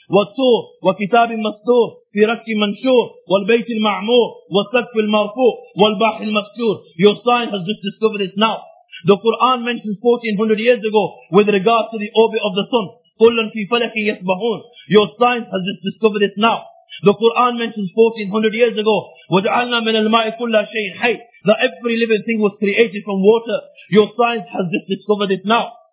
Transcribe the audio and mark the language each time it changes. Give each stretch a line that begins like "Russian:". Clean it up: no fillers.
Arabic: وَالطُّورِ وَكِتَابٍ مَسْطُورٍ فِي رَكٍّ مَنْشُورٍ وَالْبَيْتِ الْمَعْمُورِ وَالسَّقْفِ الْمَرْفُوعِ وَالْبَحْرِ الْمَسْجُورِ.
English: Your science has just discovered this now. The Quran mentions 1400 years ago with regards to the orbit of the sun.
Arabic: كُلٌّ فِي فَلَكٍ يَسْبَحُونَ.
English: Your science has just discovered this now. The Quran mentions 1400 years ago,
Arabic: وَجَعَلْنَا مِنَ الْمَاءِ كُلَّ شَيْءٍ حَيٍّ.
English: That every living thing was created from water. Your science has just discovered it now.